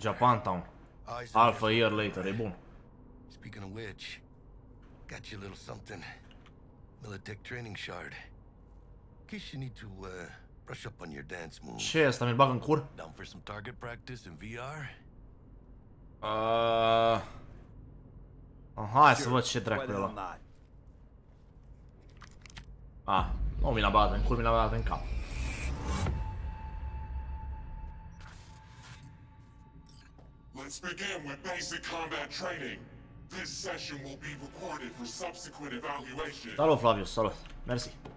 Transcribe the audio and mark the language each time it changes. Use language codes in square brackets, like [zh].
[en] Japantown. Half a year later, [ro] e bun. [en] Speaking of which, got you a little something. Militech training shard. Case you need to brush up on your dance moves. [ro] Ce, asta mi-l bag în cur? [en] Down for some target practice in VR? Aha. [ro] Hai sure, să văd ce dracu' ăla. Ah, nu mi l-a băgat în cul, mi l-a băgat în cap. [en] Let's begin with basic combat training. This session will be recorded for subsequent evaluation. [ro] Salut, Flavius, salut. Mersi.